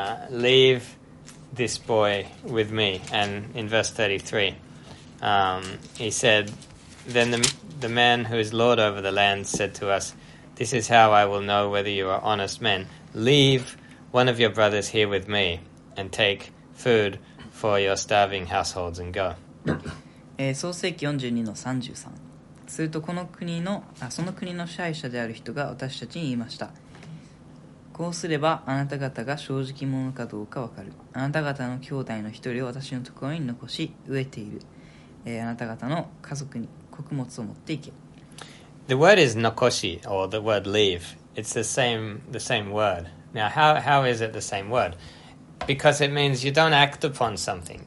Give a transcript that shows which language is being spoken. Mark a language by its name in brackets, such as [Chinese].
[English] leave this boy with me. And in verse 33, he said, then the man who is lord over the land said to us, this is how I will know whether you are honest men. Leave one of your brothers here with me and take food for your starving households and go. [Japanese] 創世記42-33。するとその国の支配者である人が私たちに言いました。こうすればあなた方が正直者かどうかわかる。あなた方の兄弟の一人を私のところに残し飢えている、あなた方の家族に穀物を持っていけ。 [English] The word is [Japanese] 残し [English] or the word leave. It's the same word. Now how is it the same word? Because it means you don't act upon something.